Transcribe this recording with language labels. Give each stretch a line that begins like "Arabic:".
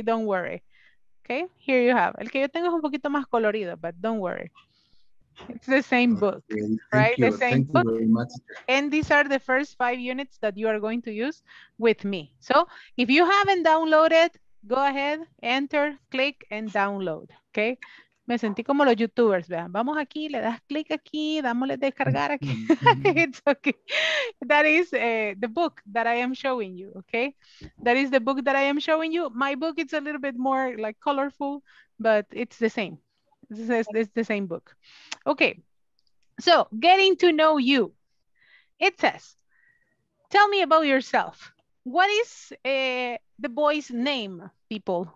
English: Don't worry. Okay, here you have.
Spanish: El que yo tengo es un poquito más colorido,
English: but don't worry. It's the same book, okay, right? You. The same thank book. You very much. And these are the first 5 units that you are going to use with me. So if you haven't downloaded, go ahead, enter, click, and download, okay?
Spanish: Me sentí como los YouTubers, vean. Vamos aquí, le das click aquí, dámosle descargar aquí.
English: It's okay. That is the book that I am showing you, okay? That is the book that I am showing you. My book is a little bit more like colorful, but it's the same. It's the same book. Okay, so getting to know you. It says, tell me about yourself. What is the boy's name, people?